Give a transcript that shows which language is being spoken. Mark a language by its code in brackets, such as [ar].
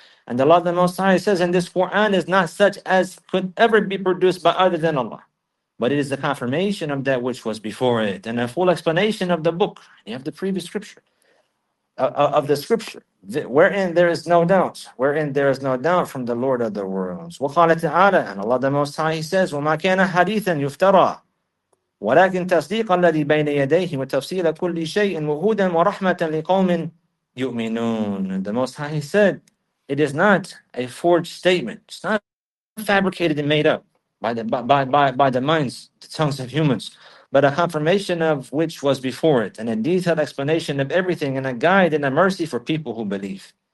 [en] And Allah the Most High says, and this Quran is not such as could ever be produced by other than Allah. But it is the confirmation of that which was before it. And a full explanation of the book, of the previous scripture, of the scripture, wherein there is no doubt, wherein there is no doubt from the Lord of the worlds. [ar] وَقَالَ تَعَالَى [en] And Allah the Most High, He says, [ar] وَمَا كَانَ حَدِيثًا يُفْتَرَى وَلَكِنْ تَصْدِيقَ الَّذِي بَيْنَ يَدَيْهِ وَتَفْصِيلَ كُلِّ شَيْءٍ وَهُدًا وَرَحْمَةً لِقَوْمٍ يُؤْمِنُونَ. [en] The Most High, He said, it is not a forged statement. It's not fabricated and made up by the minds, the tongues of humans, but a confirmation of which was before it, and a detailed explanation of everything, and a guide and a mercy for people who believe.